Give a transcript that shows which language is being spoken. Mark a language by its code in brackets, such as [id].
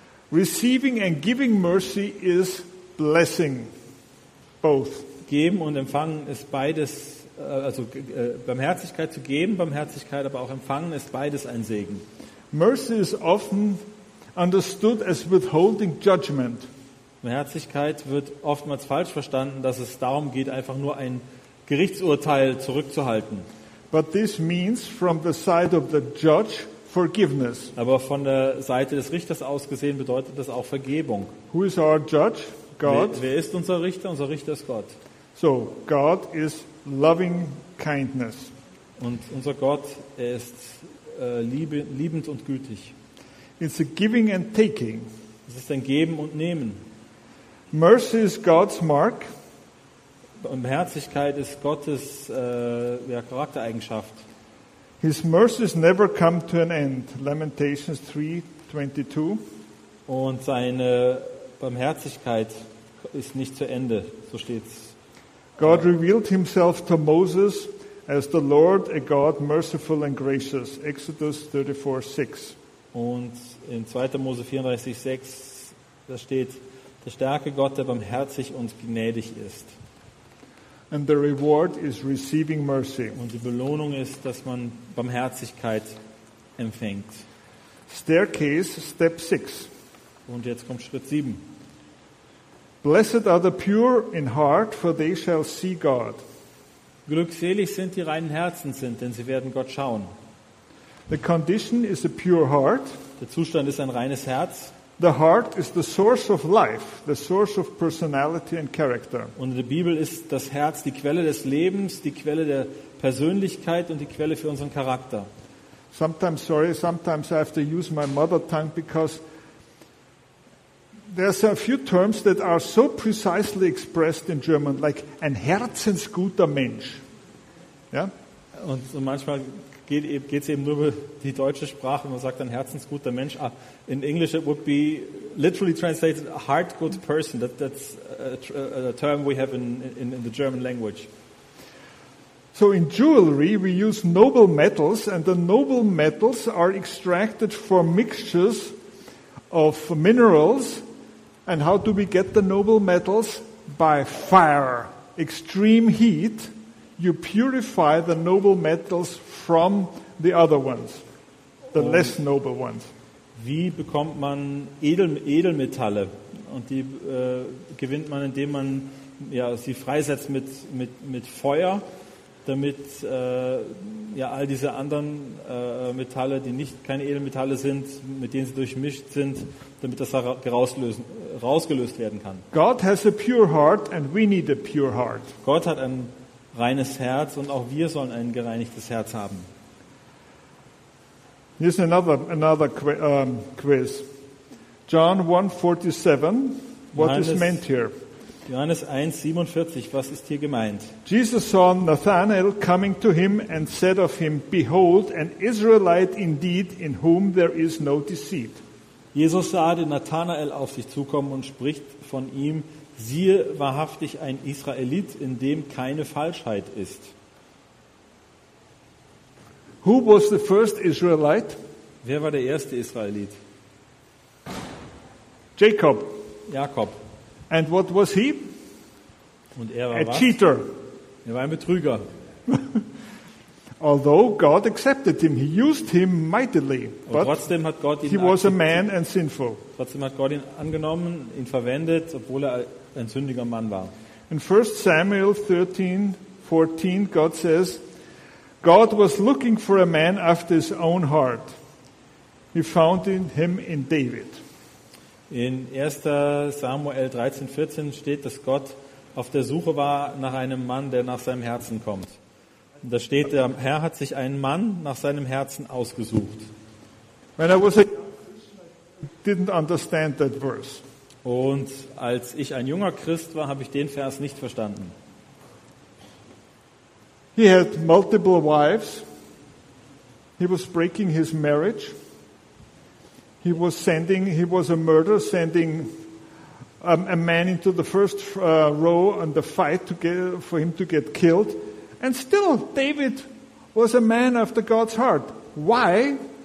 [en] Receiving and giving mercy is blessing. Both. [de] Geben und empfangen ist beides, also Barmherzigkeit zu geben, Barmherzigkeit, aber auch empfangen ist beides ein Segen. [en] Mercy is often understood as withholding judgment. [de] Barmherzigkeit wird oftmals falsch verstanden, dass es darum geht, einfach nur ein Gerichtsurteil zurückzuhalten. [en] But this means from the side of the judge, forgiveness. [de] Aber von der Seite des Richters aus gesehen bedeutet das auch Vergebung. [en] Who is our judge? God. [de] Wer ist unser Richter? Unser Richter ist Gott. [en] So, God is loving kindness. [de] Und unser Gott, er ist liebend und gütig. [en] It's a giving and taking. [de] Es ist ein Geben und Nehmen. [en] Mercy is God's mark. [de] Barmherzigkeit ist Gottes Charaktereigenschaft. [en] His mercies never come to an end. Lamentations 3:22. [de] Und seine Barmherzigkeit ist nicht zu Ende, so steht's. [en] God revealed himself to Moses as the Lord, a God merciful and gracious. Exodus 34:6. [de] Und in 2. Mose 34:6, da steht, der starke Gott, der barmherzig und gnädig ist. [en] And the reward is receiving mercy. [de] Und die Belohnung ist, dass man Barmherzigkeit empfängt. [en] Staircase, step 6. [de] Und jetzt kommt Schritt 7. [en] Blessed are the pure in heart, for they shall see God. [de] Glückselig sind die reinen Herzen sind, denn sie werden Gott schauen. [en] The condition is a pure heart. [de] Der Zustand ist ein reines Herz. [en] The heart is the source of life, the source of personality and character. [de] Und in der Bibel ist das Herz die Quelle des Lebens, die Quelle der Persönlichkeit und die Quelle für unseren Charakter. [en] Sometimes I have to use my mother tongue because there's a few terms that are so precisely expressed in German, like [de] ein herzensguter Mensch. [en] Yeah? [de] Und manchmal geht es eben nur über die deutsche Sprache, man sagt ein herzensguter Mensch. [en] Ah, in English it would be literally translated a heart good person. That's a term we have in the German language. So in jewelry we use noble metals, and the noble metals are extracted from mixtures of minerals. And how do we get the noble metals? By fire, extreme heat. You purify the noble metals from the other ones, the less noble ones. [de] Wie bekommt man Edelmetalle? Und die gewinnt man, indem man sie freisetzt mit Feuer, damit all diese anderen Metalle, die nicht keine Edelmetalle sind, mit denen sie durchmischt sind, damit das rausgelöst werden kann. [en] God has a pure heart and we need a pure heart. [de] Gott hat ein reines Herz und auch wir sollen ein gereinigtes Herz haben. [en] Here's another quiz. John 1:47. What is meant here? [de] Johannes 1:47, was ist hier gemeint? [en] Jesus saw Nathanael coming to him and said of him, behold, an Israelite indeed, in whom there is no deceit. [de] Jesus sah den Nathanael auf sich zukommen und spricht von ihm, siehe, wahrhaftig ein Israelit, in dem keine Falschheit ist. [en] Who was the first Israelite? [de] Wer war der erste Israelit? [en] Jakob. And what was he? [de] Und er war a was? [en] Cheater. [de] Er war ein Betrüger. [en] Although God accepted him, he used him mightily. [de] But trotzdem hat Gott ihn [en] he was a man and sinful. [de] Trotzdem hat Gott ihn angenommen, ihn verwendet, obwohl er ein sündiger Mann war. [en] In 1 Samuel 13:14, God says, God was looking for a man after his own heart. He found him in David. [de] In 1. Samuel 13:14 steht, dass Gott auf der Suche war nach einem Mann, der nach seinem Herzen kommt. Da steht, der Herr hat sich einen Mann nach seinem Herzen ausgesucht. [en] When I was a didn't understand that verse. [de] Und als ich ein junger Christ war, habe ich den Vers nicht verstanden. [en] He had multiple wives. He was breaking his marriage. He was a murderer, sending a man into the first row and the fight for him to get killed. And still, David was a man after God's heart. Why?